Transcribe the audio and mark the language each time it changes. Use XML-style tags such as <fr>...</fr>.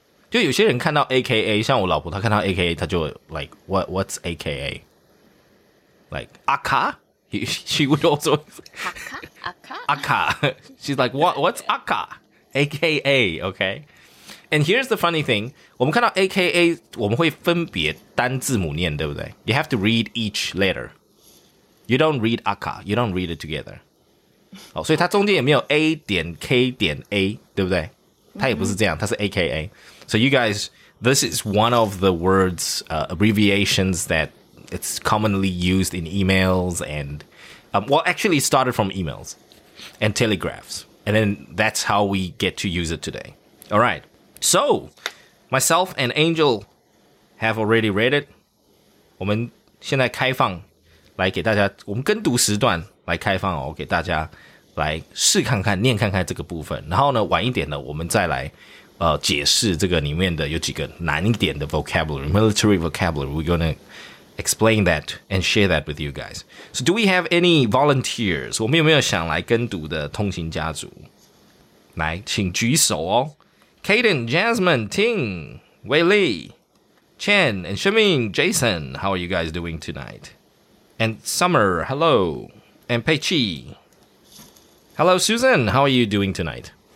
<zh>就有些人看到 AKA, 像我老婆她看到 AKA, 她就</zh> <en>like, what's AKA? Like, Akka? She would also... Akka? She's like, what's Akka? AKA, okay? And here's the funny thing,</en> <zh>我们看到 AKA, 我们会分别单字母念，对不对？</zh> <en>You have to read each letter. You don't read Akka, you don't read it together.</en> <zh>好，所以它中间也没有 A.K.A, 对不对？它也不是这样，它是 AKA.</zh> <en>So you guys, this is one of the words, abbreviations that it's commonly used in emails and, well, actually it started from emails and telegraphs. And then that's how we get to use it today. All right. So, myself and Angel have already read it.</en> <zh>我们现在开放来给大家，我们跟读时段来开放哦，给大家来试看看，念看看这个部分。然后呢，晚一点呢，我们再来。解释这个里面的有几个难一点的</zh> <en>vocabulary, military vocabulary. We're going to explain that and share that with you guys. So do we have any volunteers?</en> <zh>我们有没有想来跟读的通行家族？来，请举手哦。</zh> <en>Kaden, Jasmine, Ting, Wei Li, Chen, and Shiming, Jason, how are you guys doing tonight? And Summer, hello. And Pei Chi. Hello, Susan, how are you doing tonight?</en>